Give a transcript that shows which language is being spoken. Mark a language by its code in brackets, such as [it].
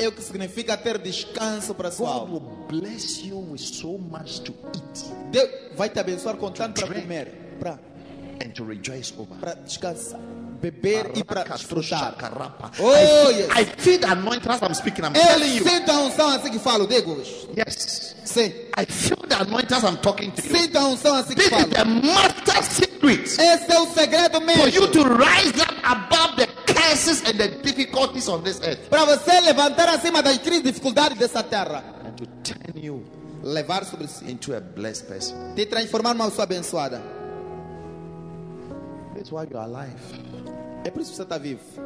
[pt] É o que significa ter descanso para sua alma. [en] God will bless you with so much to eat. [pt] Deus vai te abençoar com tanto para comer, para [en] and to rejoice over. [pt] Para descansar, beber e para desfrutar. Carapa. [en] Oh yes. I feel the anointing as I'm speaking. I'm telling you. [pt] Sinto a unção assim que falo, digo. [en] Yes. [pt] Sim. [en] I feel the anointing as I'm talking to you. [pt] Sinto a unção assim que falo. [en] This is the master secret. [pt] Esse é o segredo mesmo. [en] For you to rise up above the curses and the difficulties of this earth. [pt] Para você levantar acima das crises e dificuldades dessa terra. [en] And to turn you, [pt] levar sobre si, [en] into a blessed person. [pt] Te transformar numa pessoa abençoada. [en] That's why you are alive. [pt] É por isso que você está vivo.